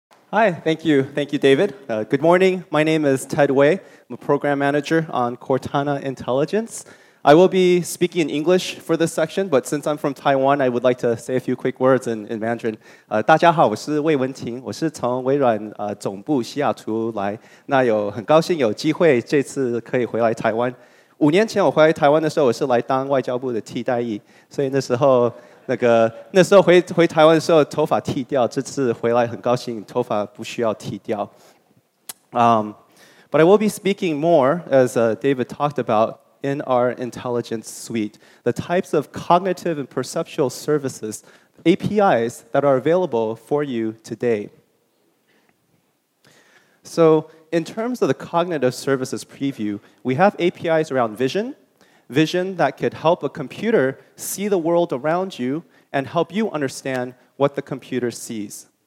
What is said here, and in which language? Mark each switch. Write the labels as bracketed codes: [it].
[en] Hi, thank you, David. Good morning. My name is Ted Wei. I'm a program manager on Cortana Intelligence. I will be speaking in English for this section, but since I'm from Taiwan, I would like to say a few quick words in Mandarin. [zh] 大家好，我是魏文婷，我是从微软总部西雅图来。那有很高兴有机会这次可以回来台湾。五年前我回来台湾的时候，我是来当外交部的替代役，所以那时候回台湾的时候头发剃掉，这次回来很高兴头发不需要剃掉。 [en] But I will be speaking more as David talked about. In our intelligence suite, the types of cognitive and perceptual services, APIs, that are available for you today. So, in terms of the cognitive services preview, we have APIs around vision, vision that could help a computer see the world around you and help you understand what the computer sees.